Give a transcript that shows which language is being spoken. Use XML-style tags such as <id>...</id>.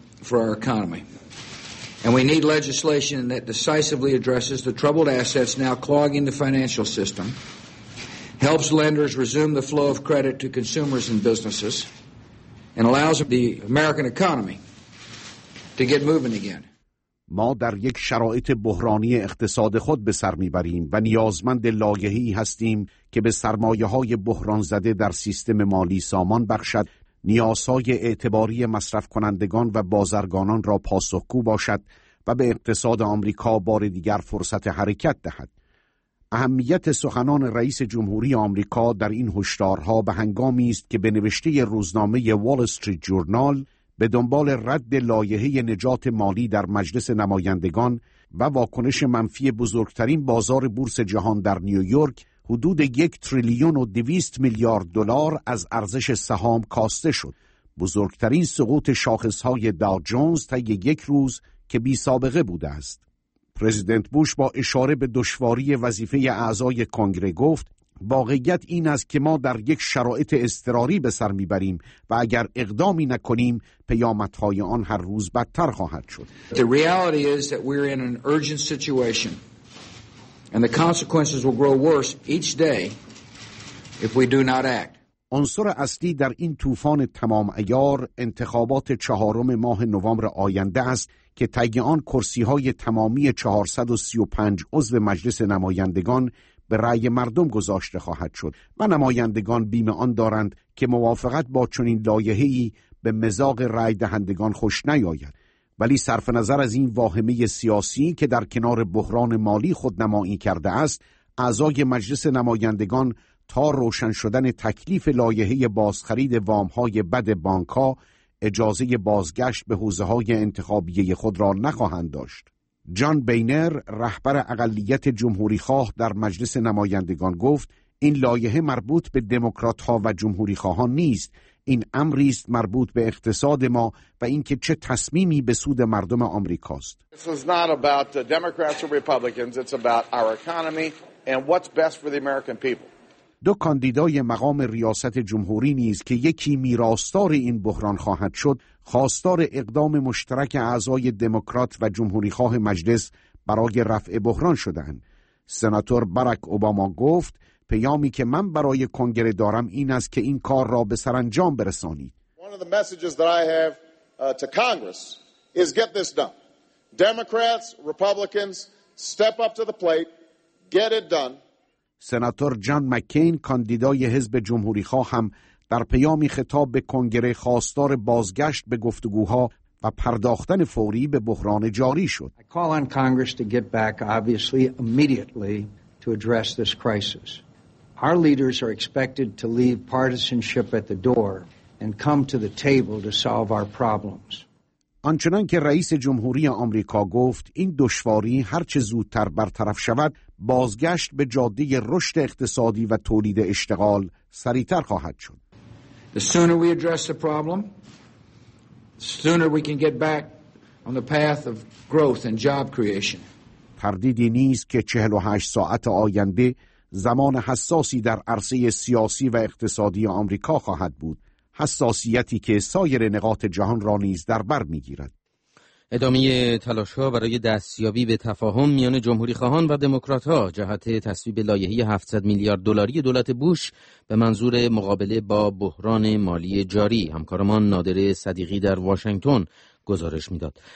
<en>And we need legislation that decisively addresses the troubled assets now clogging the financial system, helps lenders resume the flow of credit to consumers and businesses, and allows the American economy to get moving again.</en> <fa>ما در یک شرایط بحرانی اقتصاد خود به سر می‌بریم و نیازمند لایحه‌ای هستیم که به سرمایه‌های بحران زده در سیستم مالی سامان بخشد، نیازهای اعتباری مصرف کنندگان و بازرگانان را پاسخگو باشد و به اقتصاد آمریکا بار دیگر فرصت حرکت دهد. اهمیت سخنان رئیس جمهوری آمریکا در این هشدارها به هنگامی است که به نوشته روزنامه وال استریت جورنال، به دنبال رد لایحه نجات مالی در مجلس نمایندگان و واکنش منفی بزرگترین بازار بورس جهان در نیویورک، حدود 1,200,000,000,000 از ارزش سهام کاسته شد. بزرگترین سقوط شاخصهای داو جونز تا یک روز که بی سابقه بوده است. پرزیدنت بوش با اشاره به دشواری وظیفه اعضای کنگره گفت واقعیت این است که ما در یک شرایط اضطراری به سر می‌بریم و اگر اقدامی نکنیم پیامدهای آن هر روز بدتر خواهد شد.</fa> <en>The reality is that we're in an urgent situation and the consequences will grow worse each day if we do not act.</en> <fa>عنصر اصلی در این طوفان تمام عیار انتخابات چهارم ماه نوامبر آینده است که تگ آن کرسی‌های تمامی 435 عضو مجلس نمایندگان به رأی مردم گذاشته خواهد شد و نمایندگان بیم آن دارند که موافقت با چنین لایحه‌ای به مزاج رأی دهندگان خوش نیاید. ولی صرف نظر از این واهمه سیاسی که در کنار بحران مالی خودنمایی کرده است، اعضای مجلس نمایندگان تا روشن شدن تکلیف لایحه بازخرید وام‌های بد بانک‌ها اجازه بازگشت به حوزه‌های انتخابیه خود را نخواهند داشت. جان بینر رهبر اقلیت جمهوری‌خواه در مجلس نمایندگان گفت این لایحه مربوط به دموکرات‌ها و جمهوری‌خواهان نیست، این امری است مربوط به اقتصاد ما و اینکه چه تصمیمی به سود مردم آمریکاست.</fa> <en>This is not about the Democrats or Republicans, it's about our economy and what's best for the American people.</en> <fa>دو کاندیدای مقام ریاست جمهوری نیز که یکی میراثدار این بحران خواهد شد، خواستار اقدام مشترک اعضای دموکرات و جمهوری‌خواه مجلس برای رفع بحران شدند. سناتور باراک اوباما گفت: پیامی که من برای کنگره دارم این است که این کار را به سرانجام برسانید.</fa> <en>One of the messages that I have to Congress is get this done. Democrats, Republicans, step up to the plate, get it done.</en> <fa>سناتور جان مکین کاندیدای حزب جمهوری خواه هم در پیامی خطاب به کنگره خواستار بازگشت به گفتگوها و پرداختن فوری به بحران جاری شد.</fa> <en>I call on Congress to get back obviously immediately to address this crisis. Our leaders are expected to leave partisanship at the door and come to the table to solve our problems.</en> <fa>آنچنان که رئیس جمهوری آمریکا گفت، این دشواری هرچه زودتر برطرف شود، بازگشت به جاده رشد اقتصادی و تولید اشتغال سریع‌تر خواهد شد.</fa> <en>The sooner we address the problem, the sooner we can get back on the path of growth and job creation.</en> <fa>تردیدی نیست که 48 ساعت آینده زمان حساسی در عرصه سیاسی و اقتصادی آمریکا خواهد بود، حساسیتی که سایر نقاط جهان را نیز در بر می‌گیرد. ادامه تلاش‌ها برای دستیابی به تفاهم میان جمهوری‌خواهان و دموکرات‌ها جهت تصویب لایحه 700 میلیارد دلاری دولت بوش به منظور مقابله با بحران مالی جاری، همکارمان نادر صدیقی در واشنگتن گزارش می‌داد.</fa>